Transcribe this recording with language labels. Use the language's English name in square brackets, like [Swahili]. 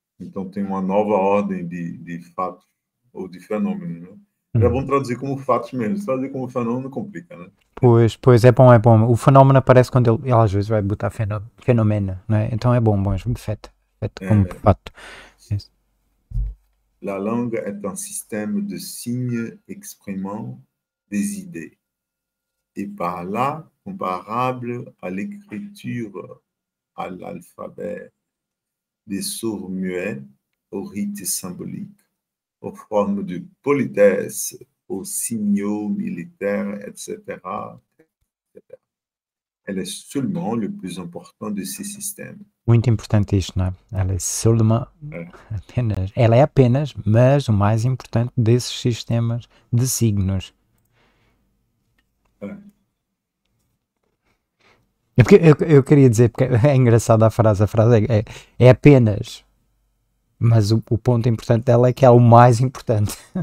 [Portuguese] Então tem uma nova ordem de fatos ou de fenômenos, né? É bom traduzir como fatos mesmo. Traduzir como fenômeno complica, né? Pois, é bom, é bom. O fenómeno aparece quando ele às vezes vai botar fenomena, não é? Então é bom, é feito como fato. [French] La langue est un système de signes exprimant des idées, et par là comparable à l'écriture, à l'alphabet de sourd-muet au rite symbolique, aux formes de politesse, aux signaux militaires, etc. Elle est seulement le plus important de ces systèmes. [Portuguese] Muito importante isto, não é? Ela é seulement apenas. Ela é apenas, mas o mais importante desses sistemas de signos. Eu queria dizer, porque é engraçada a frase é apenas, mas o ponto importante dela é que é o mais importante.